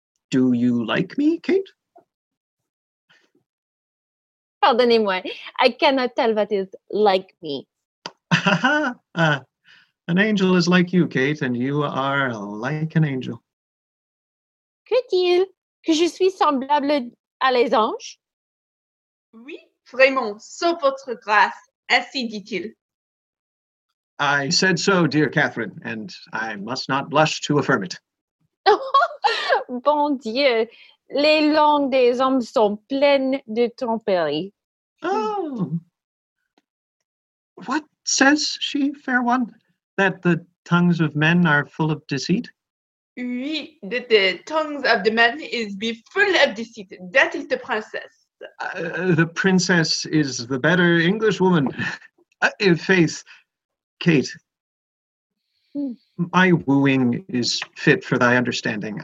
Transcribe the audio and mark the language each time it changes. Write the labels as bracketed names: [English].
[English] Do you like me, Kate? Pardon me, I cannot tell what is like me. An angel is like you, Kate, and you are like an angel. [French] Crut-il que je suis semblable à les anges? Oui, vraiment, sans votre grâce. Ainsi dit-il. [English] I said so, dear Catherine, and I must not blush to affirm it. [French] Bon Dieu, les langues des hommes sont pleines de tromperies. Oh. [English] What says she, fair one, that the tongues of men are full of deceit? Oui, that the tongues of the men is be full of deceit. That is the princess. The princess is the better Englishwoman. In faith, Kate, my wooing is fit for thy understanding.